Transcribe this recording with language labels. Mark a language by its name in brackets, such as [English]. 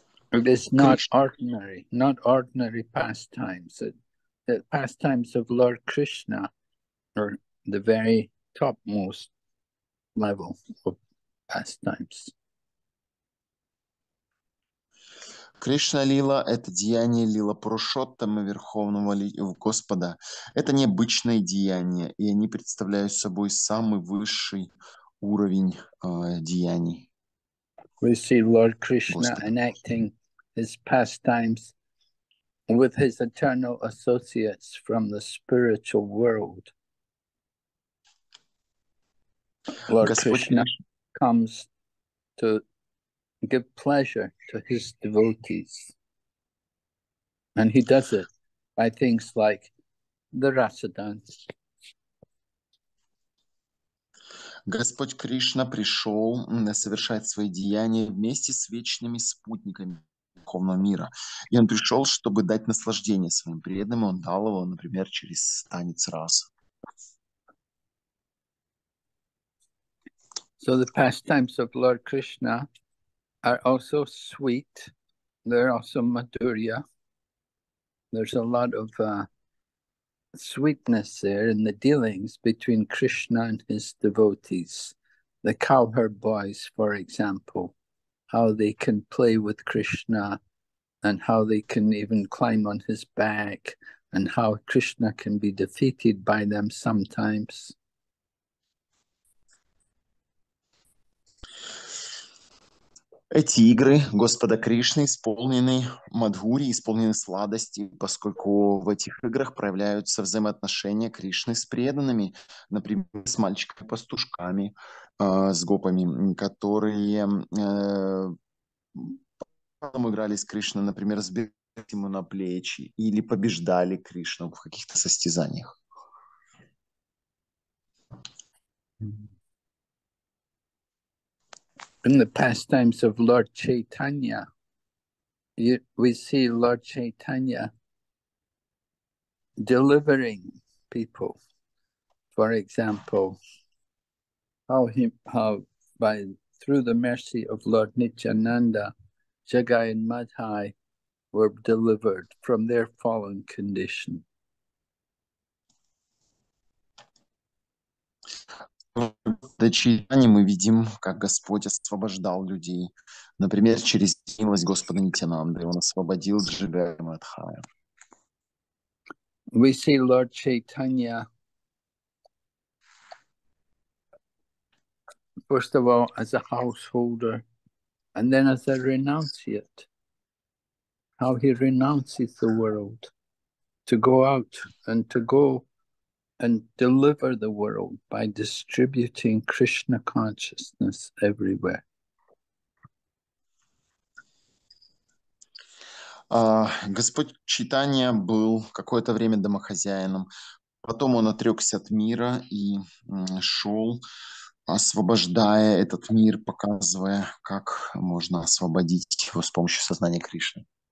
[English] It is not ordinary pastimes. The pastimes of Lord Krishna are the very topmost level of pastimes. [Russian] Кришна Лила — это деяние Лила Пурушоттама, Верховного Господа. Это необычное деяние, и они представляют собой самый высший уровень деяний. [English] We see Lord Krishna enacting his pastimes with his eternal associates from the spiritual world. Lord Krishna comes to give pleasure to his devotees. And he does it by things like the rasa dance. [Russian] Господь Кришна пришел совершать свои деяния вместе с вечными спутниками духовного мира. И он пришел, чтобы дать наслаждение своим преданным. Он дал его, например, через танец раса. [English] So the pastimes of Lord Krishna are also sweet. They're also madhurya. There's a lot of sweetness there in the dealings between Krishna and his devotees. The cowherd boys, for example, how they can play with Krishna and how they can even climb on his back and how Krishna can be defeated by them sometimes. [Russian] Эти игры Господа Кришны исполнены мадхури, исполнены сладости, поскольку в этих играх проявляются взаимоотношения Кришны с преданными, например, с мальчиками-пастушками, с гопами, которые играли с Кришной, например, сбегали ему на плечи или побеждали Кришну в каких-то состязаниях. [English] In the pastimes of Lord Chaitanya, we see Lord Chaitanya delivering people. For example, how through the mercy of Lord Nityananda, Jagai and Madhai were delivered from their fallen condition. [Russian] Мы видим, как Господь освобождал людей. Например, через милость Господа Нитянанды. Он освободил Джигая Мадхая. [English] We see Lord Chaitanya first of all as a householder and then as a renunciate. How he renounces the world to go out and to go and deliver the world by distributing Krishna consciousness everywhere. [Russian] Господь Чайтанья был какое-то время домохозяином, потом он отрекся от мира и шел, освобождая этот мир, показывая, как можно освободить его с помощью сознания Кришны.